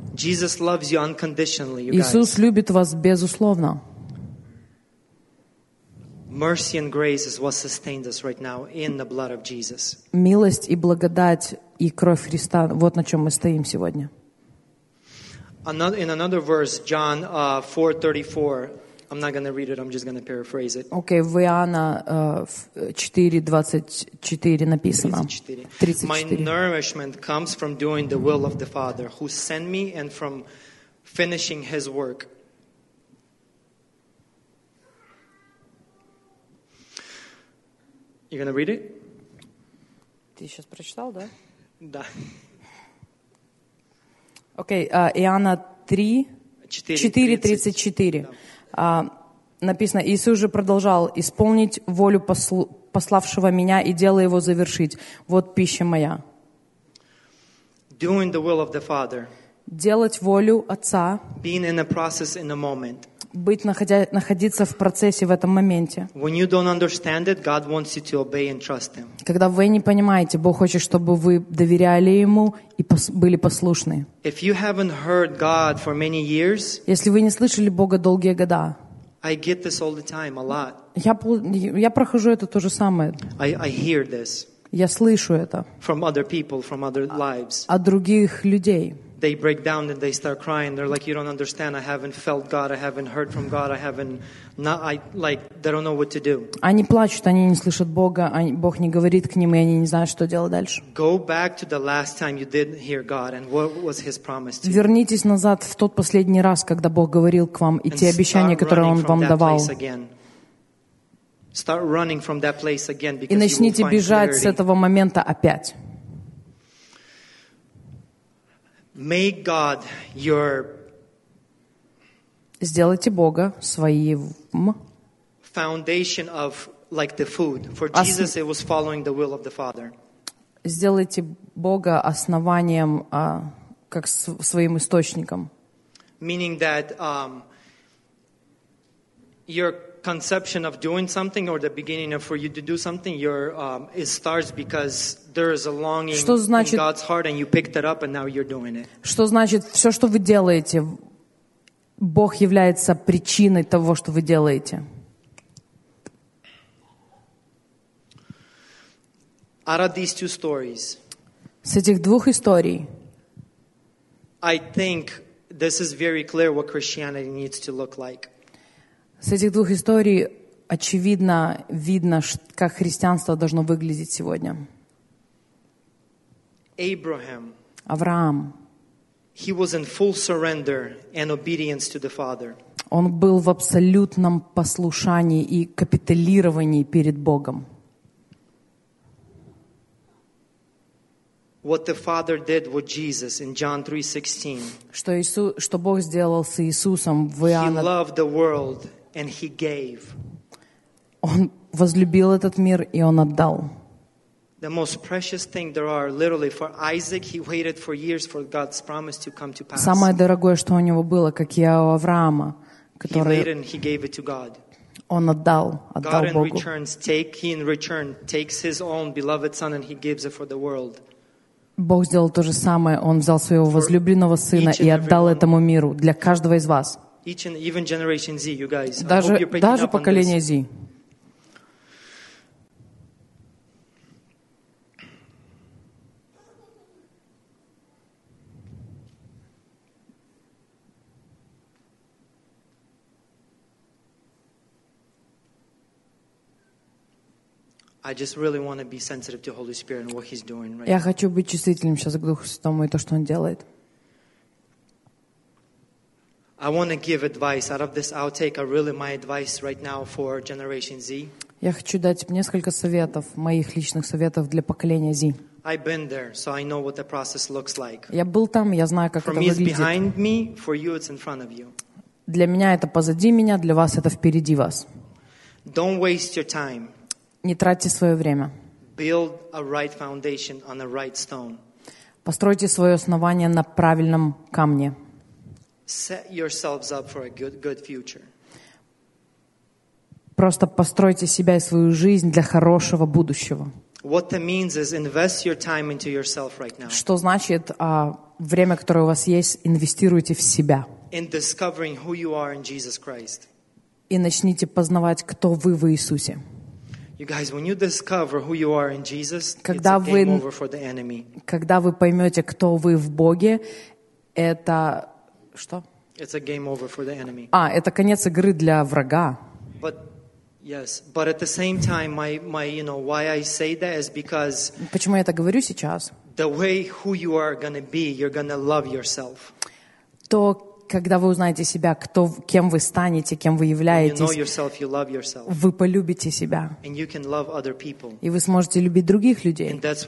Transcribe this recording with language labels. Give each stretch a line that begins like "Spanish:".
English: Jesus loves you unconditionally, you
Russian: Иисус
English: guys.
Russian: Любит вас безусловно.
English: Mercy and grace is what sustains us right now in the blood of Jesus.
Russian: Милость и благодать и кровь Христа. Вот на чем мы стоим сегодня.
English: In another verse, John 4:34. I'm not going to read it. I'm just going to paraphrase it.
Russian: Okay, в Иоанна 4:24 написано.
English: 34. My nourishment comes from doing the will of the Father who sent me and from finishing his work. You going to read it?
Russian: Ты сейчас прочитал, да? Да. Okay, Иоанна 4:34. Написано, Иисус же продолжал исполнить волю пославшего меня и дело его завершить. Вот пища моя.
English: Doing the will of the Father.
Russian: Делать волю Отца.
English: Being in a process in a moment.
Russian: Быть, находиться в процессе в этом моменте.
English: When you don't understand it, God wants you to obey and trust him.
Russian: Когда вы не понимаете, Бог хочет, чтобы вы доверяли ему и были послушны.
English: If you haven't heard God for many years,
Russian: если вы не слышали Бога долгие года,
English: I get this all the time, a lot.
Russian: Я прохожу это то же самое.
English: I hear this.
Russian: Я слышу это.
English: From other people, from other lives.
Russian: От других людей.
English: They break down and they start crying. They're like, you don't understand. I haven't felt God. I haven't heard from God. I haven't, not, I like, they don't know what to do.
Russian: Они плачут, они не слышат Бога, Бог не говорит к ним, и они не знают, что делать дальше.
English: Go back to the last time you didn't hear God and what was his promise to you.
Russian: Вернитесь назад в тот последний раз, когда Бог говорил к вам, и те обещания, которые он вам давал.
English: Start running from that place again.
Russian: И начните бежать с этого момента опять.
English: May God your
Russian: сделайте Бога своим
English: foundation of like the food for Jesus it was following the will of the Father.
Russian: Сделайте Бога основанием как своим источником.
English: Meaning that your conception of doing something or the beginning of for you to do something, your it starts because there is a longing in God's heart and you picked it up and now you're doing it.
Russian: Что значит все, что вы делаете, Бог является причиной того, что вы делаете.
English: Out of these two stories,
Russian: с этих двух историй,
English: I think this is very clear what Christianity needs to look like.
Russian: С этих двух историй очевидно видно, как христианство должно выглядеть сегодня.
English: Abraham,
Russian: Авраам,
English: he was in full surrender and obedience to the Father.
Russian: Он был в абсолютном послушании и капитулировании перед Богом.
English: What the Father did with Jesus in John 3:16.
Russian: Что Бог сделал с Иисусом в Иоанна.
English: He loved the world and he gave.
Russian: Он возлюбил этот мир и он отдал.
English: The most precious thing there are, literally, for Isaac, he waited for years for God's promise to come to pass.
Russian: Самое дорогое, что у него было, как я у Авраама, который.
English: He waited and he gave it to God.
Russian: Он отдал, отдал
English: God
Russian: Богу.
English: God in return takes his own beloved son and he gives it for the world.
Russian: Бог сделал то же самое. Он взял своего возлюбленного сына и отдал этому миру для каждого из вас.
English: Even generation Z, you guys.
Russian: Даже поколение Z.
English: I just really want to be sensitive to Holy Spirit and what He's doing right now.
Russian: Я хочу быть чувствительным сейчас к Духу Святому и то, что Он делает.
English: I want to give advice out of this outtake. My advice right now for Generation Z.
Russian: Я хочу дать несколько советов, моих личных советов для поколения Z.
English: I've been there, so I know what the process looks like.
Russian: Я был там, я знаю, как это выглядит.
English: For me, it's behind me. For you, it's in front of you.
Russian: Для меня это позади меня, для вас это впереди вас.
English: Don't waste your time.
Russian: Не тратьте свое время.
English: Build a right foundation on a right stone.
Russian: Постройте свое основание на правильном камне.
English: Set yourselves up for a good future.
Russian: Просто постройте себя и свою жизнь для хорошего будущего.
English: What that means is invest your time into yourself right now.
Russian: Что значит, время, которое у вас есть, инвестируйте в себя.
English: In discovering who you are in Jesus Christ.
Russian: И начните познавать, кто вы в Иисусе.
English: You guys, when you discover who you are in Jesus, it's a game over for the enemy.
Russian: Когда вы поймете, кто вы в Боге, это что?
English: It's a game over for the enemy.
Russian: А, это конец игры для врага.
English: But yes, but at the same time, my, you know, why I say that is because.
Russian: Почему я это говорю сейчас?
English: The way who you are gonna be, you're gonna love yourself.
Russian: То, когда вы узнаете себя, кто, кем вы станете, кем вы являетесь,
English: you know yourself,
Russian: вы полюбите себя. И вы сможете любить других людей.